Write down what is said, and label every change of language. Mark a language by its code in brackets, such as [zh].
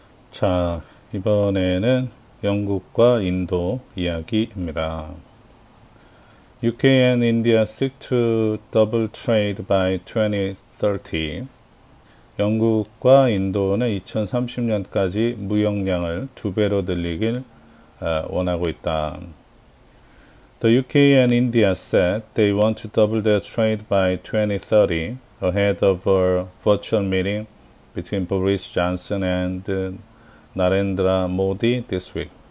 [ko] 자, 이번에는 영국과 인도 이야기입니다. [en] UK and India seek to double trade by 2030. [ko] 영국과 인도는 2030년까지 무역량을 두 배로 늘리길 원하고 있다. [en] The UK and India said they want to double their trade by 2030 ahead of a virtual meeting between Boris Johnson and Narendra Modi this week.